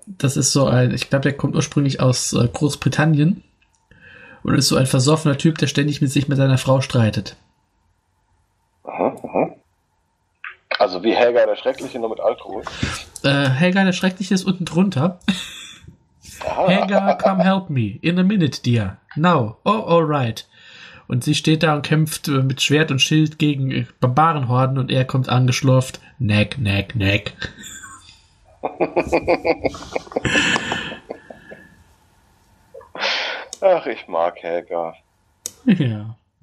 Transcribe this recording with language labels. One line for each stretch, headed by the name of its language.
German: Das ist so ein, ich glaube, der kommt ursprünglich aus Großbritannien und ist so ein versoffener Typ, der ständig mit sich mit seiner Frau streitet. Also wie Helga der Schreckliche, nur mit Alkohol. Helga der Schreckliche ist unten drunter.
English: Helga, come help me. In a minute, dear. Now. Oh, all right.
German: Und sie steht da und kämpft mit Schwert und Schild gegen Barbarenhorden und er kommt angeschlurft. Neck, neck, neck. Ach, ich mag Helga. Ja.